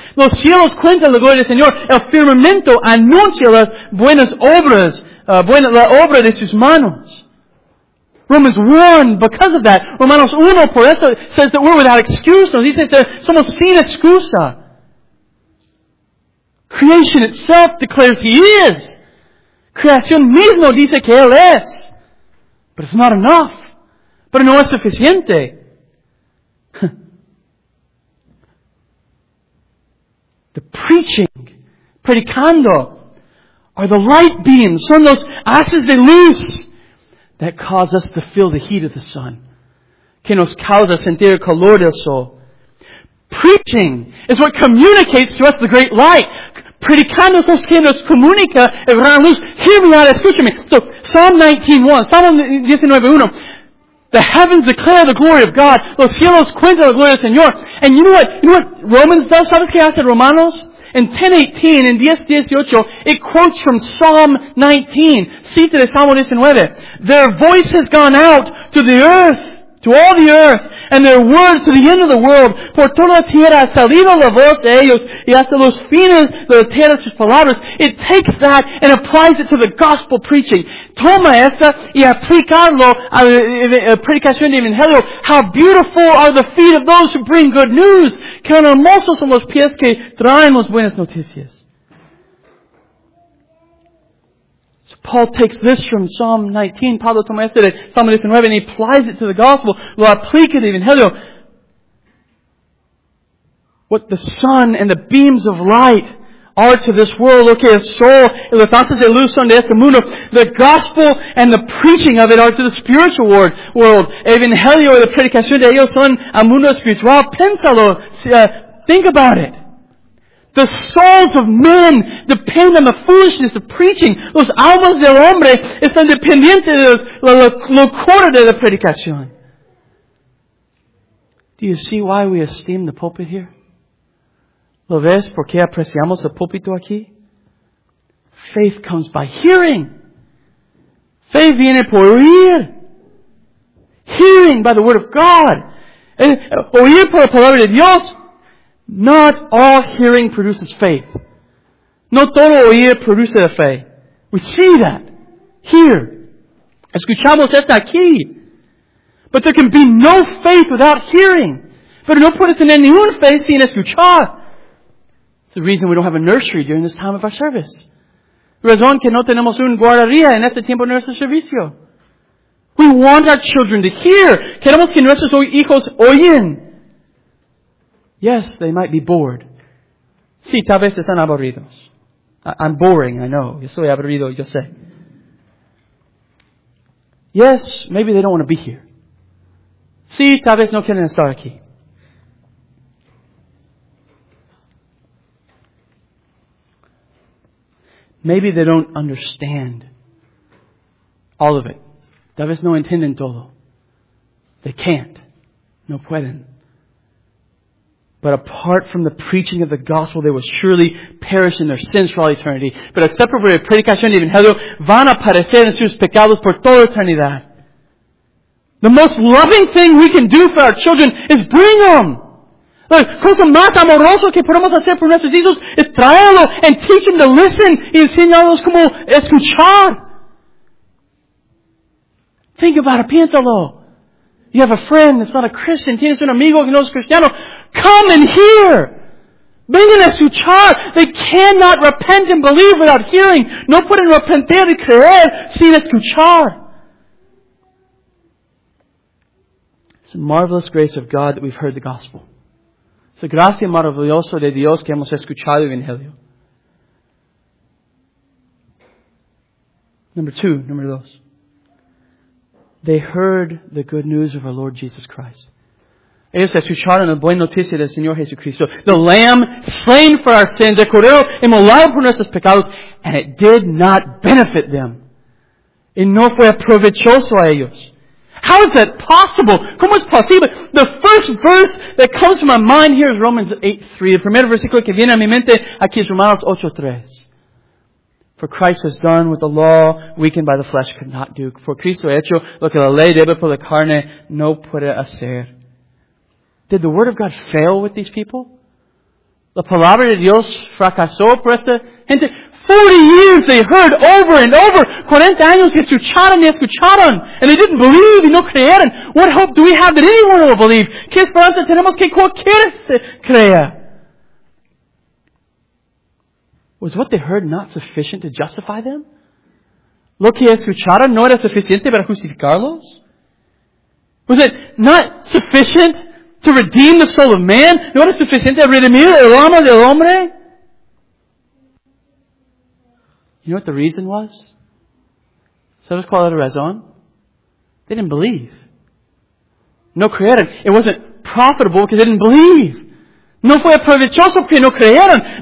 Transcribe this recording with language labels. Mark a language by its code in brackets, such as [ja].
[es] Los cielos cuentan la gloria del Señor, el firmamento anuncia las buenas obras, la obra de sus manos. [en] Romans 1, because of that, [es] Romanos 1, por eso, [en] says that we're without excuse. [es] No, dice, somos sin excusa. [en] Creation itself declares He is. [es] Creación mismo dice que Él es. [en] But it's not enough. [es] Pero no es suficiente. [en] The preaching, [es] predicando, [en] are the light beams, [es] son los haces de luz [en] that cause us to feel the heat of the sun. [es] Que nos causa sentir el calor del sol. [en] Preaching is what communicates to us the great light. [es] Predicando los que nos comunica el gran luz. [en] Hear me out, [es] escúchame. [en] So, Psalm 19:1. The heavens declare the glory of God. [es] Los cielos cuentan la gloria del Señor. [en] And you know what? You know what Romans does? [es] ¿Sabes qué hace Romanos? [en] In 10:18, in 10:18, it quotes from Psalm 19. [es] Cita de Salmo 19. [en] Their voice has gone out to the earth, to all the earth, and their words to the end of the world. [es] Por toda la tierra ha salido la voz de ellos, y hasta los fines de la tierra sus palabras. [en] It takes that and applies it to the gospel preaching. [es] Toma esta y aplicarlo a la predicación del Evangelio. [en] How beautiful are the feet of those who bring good news. [es] Que hermosos son los pies que traen las buenas noticias. [en] Paul takes this from Psalm 19, [es] Pablo toma este de [en] Psalm 19, and he applies it to the gospel, [es] lo aplica al Evangelio. [en] What the sun and the beams of light are to this world, [es] lo que el sol y los astros de luz son de este mundo, [en] the gospel and the preaching of it are to the spiritual world. [es] Evangelio y la predicación de ellos son al mundo espiritual. Piénsalo, [en] think about it. The souls of men depend on the foolishness of preaching. [es] Los almas del hombre están dependientes de la locura de la predicación. [en] Do you see why we esteem the pulpit here? [es] ¿Lo ves por qué apreciamos el púlpito aquí? [en] Faith comes by hearing. Faith [es] viene por oír. [en] Hearing by the word of God. [es] Oír por la palabra de Dios. [en] Not all hearing produces faith. [es] No todo oír produce la fe. [en] We see that here. [es] Escuchamos esta aquí. [en] But there can be no faith without hearing. [es] Pero no puede tener ninguna fe sin escuchar. [en] It's the reason we don't have a nursery during this time of our service. [es] Razón que no tenemos una guardería en este tiempo de nuestro servicio. [en] We want our children to hear. [es] Queremos que nuestros hijos oyen. [en] Yes, they might be bored. [es] Sí, tal vez están aburridos. [en] I'm boring, I know. [es] Yo soy aburrido, yo sé. [en] Yes, maybe they don't want to be here. [es] Sí, tal vez no quieren estar aquí. [en] Maybe they don't understand all of it. [es] Tal vez no entienden todo. [en] They can't. [es] No pueden. [en] But apart from the preaching of the gospel, they will surely perish in their sins for all eternity. But except for the [es] predicación del Evangelio, van a perecer en sus pecados por toda eternidad. [en] The most loving thing we can do for our children is bring them. [es] La cosa más amorosa que podemos hacer por nuestros hijos es traerlo [en] and teach them to listen [es] y enseñarlos cómo escuchar. [en] Think about it, [es] piénsalo. [en] You have a friend that's not a Christian. [es] Tienes un amigo que no es cristiano. [en] Come and hear. [es] Vengan a escuchar. [en] They cannot repent and believe without hearing. [es] No pueden arrepentir y creer sin escuchar. [en] It's a marvelous grace of God that we've heard the gospel. It's a [es] gracia maravillosa de Dios que hemos escuchado el Evangelio. [en] Number 2. They heard the good news of our Lord Jesus Christ. [es] Ellos escucharon la buena noticia del Señor Jesucristo. [en] The Lamb slain for our sins. [es] El Cordero inmolado por nuestros pecados. [en] And it did not benefit them. [es] Y no fue provechoso a ellos. [en] How is that possible? [es] ¿Cómo es posible? The first verse that comes to my mind here is Romans 8:3. El primer versículo que viene a mi mente aquí es Romanos 8:3. [en] For Christ has done what the law, weakened by the flesh, could not do. For [es] Cristo ha hecho lo que la ley debe por la carne, no puede hacer. [en] Did the word of God fail with these people? [es] La palabra de Dios fracasó por esta gente. [en] 40 years they heard over and over. [es] 40 años que escucharon. [en] And they didn't believe [es] y no creyeron. [en] What hope do we have that anyone will believe? [es] ¿Qué esperanza tenemos que cualquiera se crea? [en] Was what they heard not sufficient to justify them? [es] ¿Lo que escucharon no era suficiente para justificarlos? [en] Was it not sufficient to redeem the soul of man? [es] ¿No era suficiente para redimir el alma del hombre? [en] You know what the reason was? [es] ¿Sabes cuál era la razón? [en] They didn't believe. [es] No creyeron. [en] It wasn't profitable because they didn't believe. [es] No fue provechoso porque no creyeron.